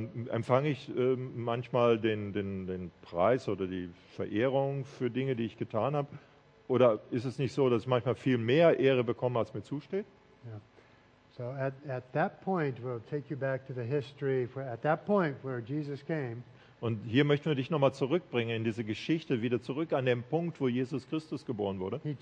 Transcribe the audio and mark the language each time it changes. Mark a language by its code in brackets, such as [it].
[de] Empfange ich manchmal den Preis oder die Verehrung für Dinge, die ich getan habe? Oder ist es nicht so, dass ich manchmal viel mehr Ehre bekomme, als mir zusteht? Yeah. [en] So at that point, we'll take you back to the history, at that point where Jesus came. [de] Und hier möchten wir dich nochmal zurückbringen in diese Geschichte, wieder zurück an den Punkt, wo Jesus Christus geboren wurde.